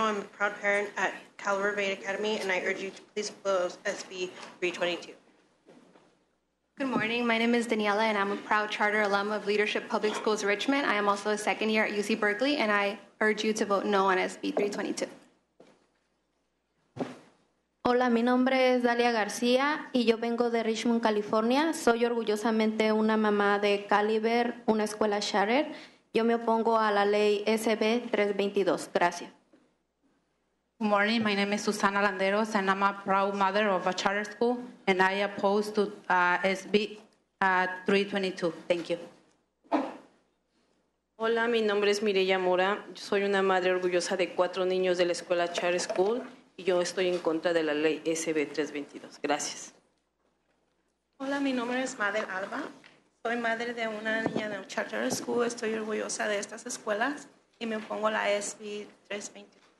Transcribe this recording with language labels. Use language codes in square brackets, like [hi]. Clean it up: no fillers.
[en] I'm a proud parent at Cal Ripon Academy, and I urge you to please oppose SB 322. Good morning. My name is Daniela, and I'm a proud charter alum of Leadership Public Schools Richmond. I am also a second year at UC Berkeley, and I urge you to vote no on SB 322. [es] Hola, mi nombre es Dalia García, y yo vengo de Richmond, California. Soy orgullosamente una mamá de Caliber, una escuela charter. Yo me opongo a la ley SB 322. Gracias. [en] Good morning. My name is Susana Landeros, and I'm a proud mother of a charter school, and I oppose to SB 322. Thank you. [es] Hola, mi nombre es Mireya Mora. Yo soy una madre orgullosa de cuatro niños de la escuela Charter School, y yo estoy en contra de la ley SB 322. Gracias. Hola, mi nombre es Madel Alba. Soy madre de una niña de un Charter School. Estoy orgullosa de estas escuelas y me opongo a la SB 322.